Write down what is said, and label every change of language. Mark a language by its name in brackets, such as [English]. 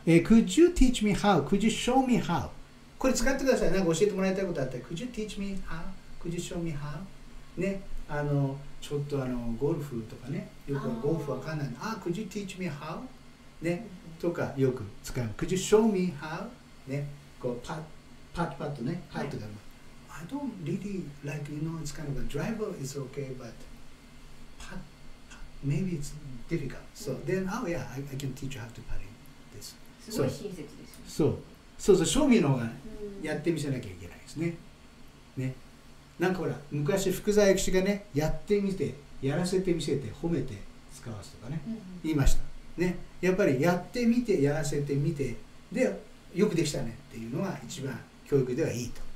[English] Could you teach me how? Could you show me how? [Japanese] これ使ってください。なんか教えてもらいたいことあったら、 [English] Could you teach me how? Could you show me how? ね。 [Japanese] ちょっとゴルフとかね、よくゴルフわかんないの。あ、 [English] could you teach me how? [Japanese] ね、とかよく使う。 [English] Could you show me how? [Japanese] ね、こうパッパッパッとね、はい、ハートが。 [English] I don't really like, you know, it's kind of a driver is okay, but putt, putt, maybe it's difficult. So then, oh yeah, I can teach you how to putt in this. [Japanese] すごい親切ですね。そう。そうそう、ショーミーの方がやってみせなきゃいけないですね。ね。なんかほら、昔福沢諭吉がね、やってみて、やらせてみせて、褒めて使わすとかね、言いました。ね。やっぱりやってみて、やらせてみて、で、よくできたねっていうのが一番教育ではいいと。